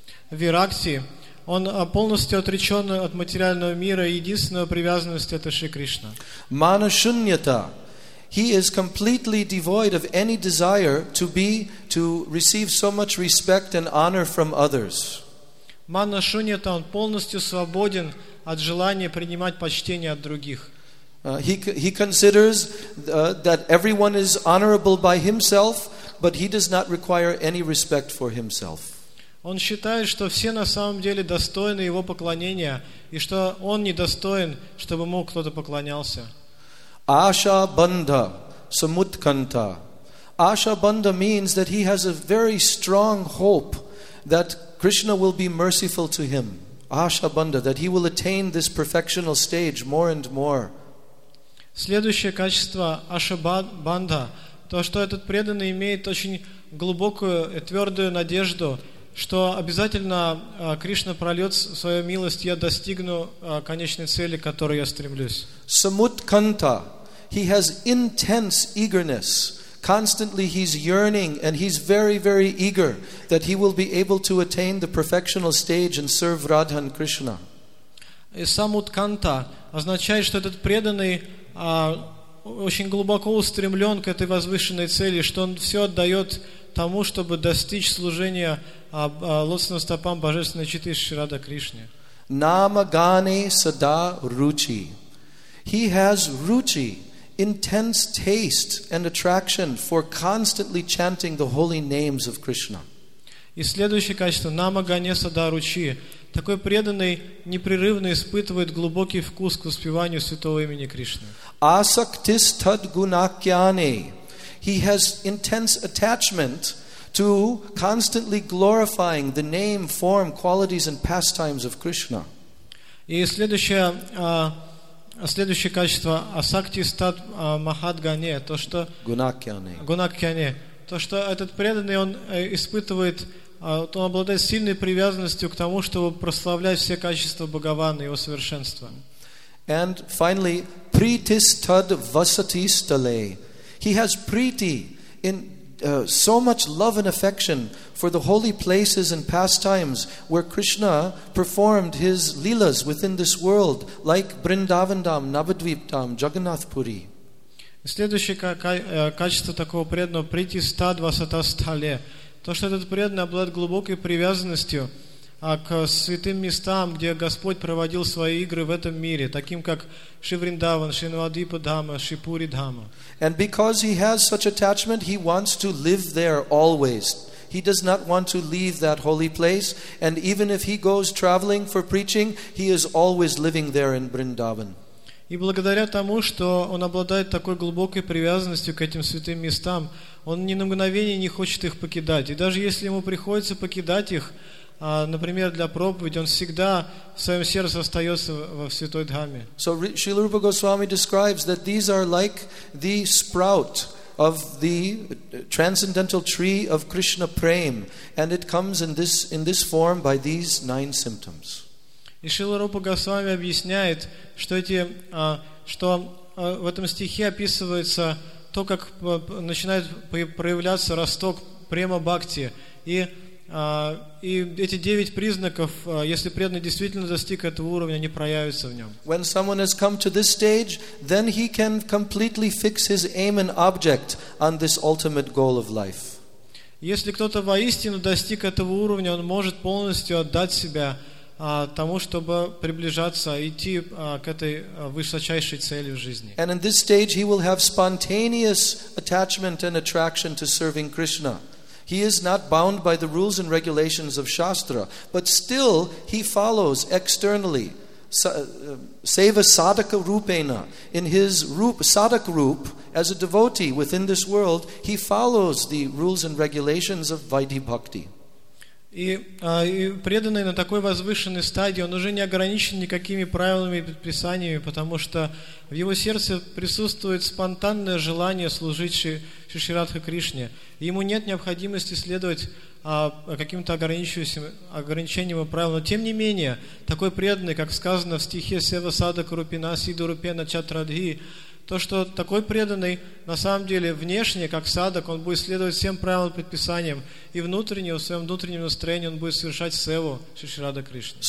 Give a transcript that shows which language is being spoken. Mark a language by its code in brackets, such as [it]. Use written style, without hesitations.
[ru] Виракти, он полностью отречен от материального мира, единственная привязанность — это Шри Кришна. [en] Мана шуньята. He is completely devoid of any desire to be, to receive so much respect and honor from others. [ru] Мана шуньята, он полностью свободен от желания принимать почтение от других. [en] He considers that everyone is honorable by himself, but he does not require any respect for himself. [ru] Он считает, что все на самом деле достойны его поклонения, и что он недостоин, чтобы ему кто-то поклонялся. [sa] Аша банда самутканта. [en] Аша банда means that he has a very strong hope that Krishna will be merciful to him. Аша банда, that he will attain this perfectional stage more and more. [ru] Следующее качество аша банда, то, что этот преданный имеет очень глубокую и твердую надежду, что обязательно Кришна прольет свою милость, я достигну конечной цели, к которой я стремлюсь. [en] Самутканта. He has intense eagerness. Constantly he's yearning and he's very, very eager that he will be able to attain the perfectional stage and serve Radha and Krishna. [ru] Самутканта означает, что этот преданный очень глубоко устремлен к этой возвышенной цели, что он все отдает тому, чтобы достичь служения лотосным стопам Божественной Читы Шри Радха Кришне. [sa] Нама гане сада ручи. [en] He has ruchi, intense taste and attraction for constantly chanting the holy names of Krishna. [ru] И следующее качество – [sa] нама гане сада ручи. [ru] Такой преданный непрерывно испытывает глубокий вкус к воспеванию святого имени Кришны. [sa] Асактистад гунакьяне. [en] He has intense attachment to constantly glorifying the name, form, qualities, and pastimes of Krishna. [ru] И следующее качество [sa] асакти стат махадгане, [ru] то что [sa] гунакьяне, [ru] то что этот преданный он испытывает, он обладает сильной привязанностью к тому, чтобы прославлять все качества Бхагавана и его совершенства. [en] And finally, [sa] притистад васати стале. [en] He has preeti in so much love and affection for the holy places and pastimes where Krishna performed his leelas within this world, like Vrindavandam, Navadviptam, Jagannath Puri. [ru] Следующее качество такого преданного — [sa] прити стад васата стале. [ru] То, что этот преданный обладает глубокой привязанностью к святым местам, где Господь проводил свои игры в этом мире, таким как Шри Вриндаван, Шри Навадвипа Дхама, Шри Пури Дхама. [en] And because he has such attachment, he wants to live there always. He does not want to leave that holy place. And even if he goes traveling for preaching, he is always living there in Vrindavan. [ru] И благодаря тому, что он обладает такой глубокой привязанностью к этим святым местам, он ни на мгновение не хочет их покидать. И даже если ему приходится покидать их, Например, для проповеди он всегда в своем сердце остается во Святой Дхамме. [en] So Srila Rupa Goswami describes that these are like the sprout of the transcendental tree of Krishna Prem, and it comes in this form by these nine symptoms. [ru] И Шрила Рупа Госвами объясняет, что в этом стихе описывается то, как начинает проявляться росток према бхакти. И эти девять признаков, если преданный действительно достиг этого уровня, они проявятся в нем. [en] When someone has come to this stage, then he can completely fix his aim and object on this ultimate goal of life. [ru] Если кто-то воистину достиг этого уровня, он может полностью отдать себя тому, чтобы приближаться, идти к этой высочайшей цели в жизни. [en] And in this stage, he will have spontaneous attachment and attraction to serving Krishna. He is not bound by the rules and regulations of Shastra, but still he follows externally. [sa] Seva sadaka rupena, [en] in his rup, sadaka rup, as a devotee within this world, he follows the rules and regulations of Vaidhi Bhakti. [ru] И преданный на такой возвышенной стадии, он уже не ограничен никакими правилами и предписаниями, потому что в его сердце присутствует спонтанное желание служить Шри Радха Кришне. Ему нет необходимости следовать каким-то ограничениям и правилам. Но тем не менее, такой преданный, как сказано в стихе [sa] «Сева садака рупина сиду рупена чатрадхи», [ru] то, что такой преданный, на самом деле, внешне, как садок, он будет следовать всем правилам и предписаниям, и внутренне, в своем внутреннем настроении он будет совершать севу Шри Радха Кришны.